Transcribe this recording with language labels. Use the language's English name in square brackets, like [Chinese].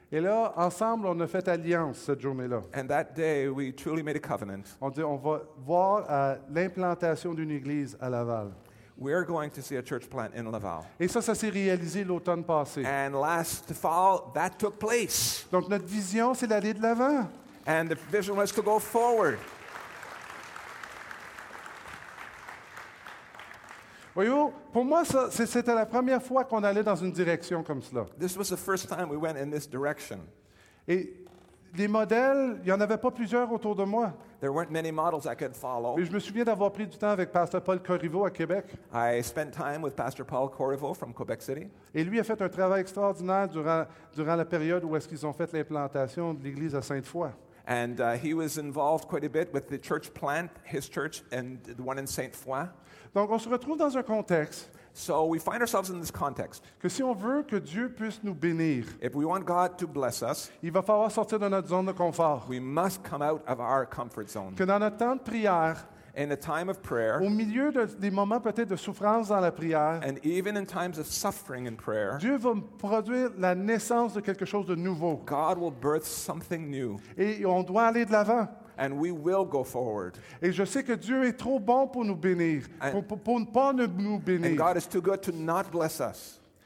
[French] Et là, ensemble, on a fait alliance cette journée-là. [English] And that day, we truly made a covenant. [French] On dit, on va voir l'implantation d'une église à Laval. [English] We are going to see a church plant in Laval. [French] Et ça s'est réalisé l'automne passé. [English] And last fall, that took place. [French] Donc notre vision, c'est d'aller de l'avant. [English] And the vision was to go forward. [French] Voyez-vous, pour moi, ça, c'était la première fois qu'on allait dans une direction comme cela. [English] This was the first time we went in this direction. [French] Et les modèles, il n'y en avait pas plusieurs autour de moi. [English] There weren't many models I could follow. [French] Mais je me souviens d'avoir pris du temps avec Pasteur Paul Corriveau à Québec. [English] I spent time with Pastor Paul Corriveau from Quebec City. [French] Et lui a fait un travail extraordinaire durant la période où est-ce qu'ils ont fait l'implantation de l'église à Sainte-Foy. [English] And he was involved quite a bit with the church plant, his church, and the one in Sainte-Foy. [French] Donc on se retrouve dans un contexte. [English] So we find ourselves in this context. [French] Que si on veut que Dieu puisse nous bénir, [English] if we want God to bless us, [French] il va falloir sortir de notre zone de confort. [English] We must come out of our comfort zone. [French] Que dans notre temps de prière, [English] in a time of prayer, [French] au milieu de, des moments peut-être de souffrance dans la prière, [English] and even in times of suffering in prayer, [French] Dieu va produire la naissance de quelque chose de nouveau. [English] God will birth something new. [French] Et on doit aller de l'avant. [English] And we will go forward. [French] Et je sais que Dieu est trop bon pour nous bénir, pour ne pas nous bénir. [English] And God is too good to not bless us.